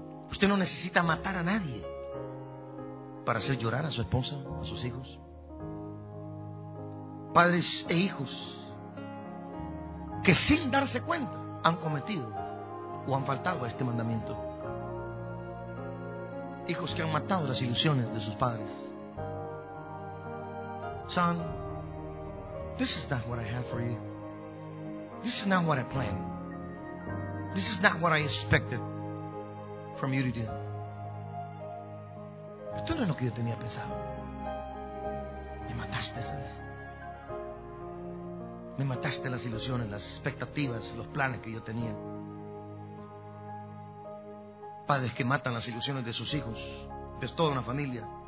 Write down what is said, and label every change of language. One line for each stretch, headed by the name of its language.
Spanish: ¿Usted no necesita matar a nadie para hacer llorar a su esposa, a sus hijos? Padres e hijos que sin darse cuenta han cometido o han faltado a este mandamiento. Hijos que han matado las ilusiones de sus padres.
English: Son, this is not what I have for you. This is not what I planned. This is not what I expected from you to do.
Spanish: Esto no es lo que yo tenía pensado. Me mataste, ¿sabes? Me mataste las ilusiones, las expectativas, los planes que yo tenía. Padres que matan las ilusiones de sus hijos, de toda una familia.